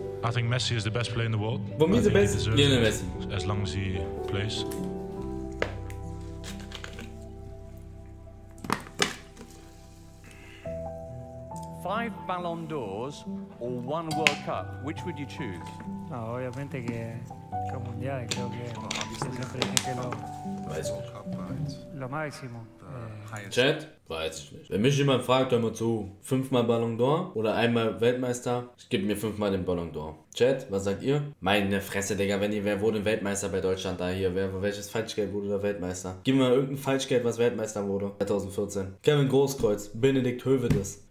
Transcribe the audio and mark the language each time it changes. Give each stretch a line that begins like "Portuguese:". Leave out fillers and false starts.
English: I think Messi is the best player in the world. For me, the best. Lionel Messi. As long as he plays. Five Ballon d'Ors or one World Cup, which would you choose?
Spanish: No, obviamente que el Mundial, creo que siempre tiene que lo...
English: Chat?
German: Weiß ich nicht. Wenn mich jemand fragt, hör mal zu, fünfmal Ballon d'Or oder einmal Weltmeister, ich gebe mir fünfmal den Ballon d'Or. Chat, was sagt ihr? Meine Fresse, Digga, wenn ihr, wer wurde Weltmeister bei Deutschland da hier? Wer, welches Falschgeld wurde da Weltmeister? Gib mir mal irgendein Falschgeld, was Weltmeister wurde. 2014. Kevin Großkreuz, Benedikt Höwedes.